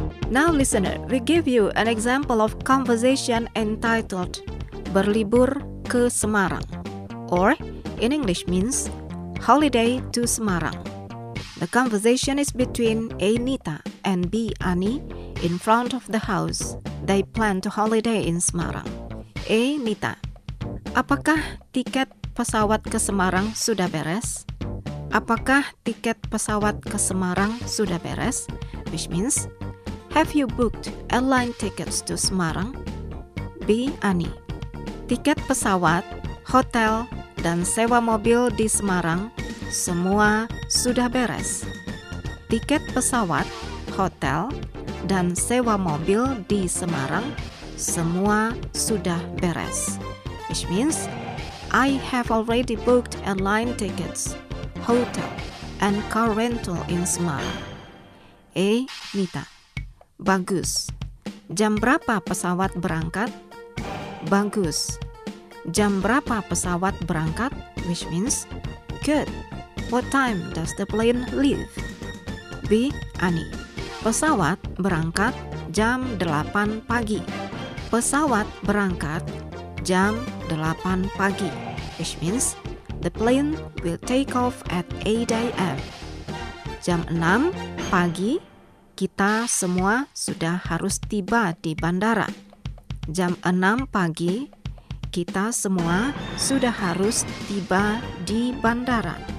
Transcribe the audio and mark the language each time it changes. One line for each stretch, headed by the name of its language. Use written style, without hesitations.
English: Now, listener, we give you an example of conversation entitled
Indonesian: Berlibur ke Semarang,
English: or in English means Holiday to Semarang. The conversation is between Anita and B. Ani in front of the house. They plan to holiday in Semarang.
Indonesian: Anita, apakah tiket pesawat ke Semarang sudah beres? Apakah tiket pesawat ke Semarang sudah beres?
English: Which means, have you booked airline tickets to Semarang?
Indonesian: B. Ani, tiket pesawat, hotel, dan sewa mobil di Semarang semua sudah beres. Tiket pesawat, hotel, dan sewa mobil di Semarang semua sudah beres.
English: Which means, I have already booked airline tickets, hotel, and car rental in Semarang.
Indonesian: A. Nita, bagus. Jam berapa pesawat berangkat? Bagus. Jam berapa pesawat berangkat?
English: Which means good. What time does the plane leave?
Indonesian: B. Ani, pesawat berangkat jam 8 pagi. Pesawat berangkat jam 8 pagi.
English: Which means the plane will take off at 8 a.m.
Indonesian: Jam 6 pagi, kita semua sudah harus tiba di bandara. Jam 6 pagi, kita semua sudah harus tiba di bandara.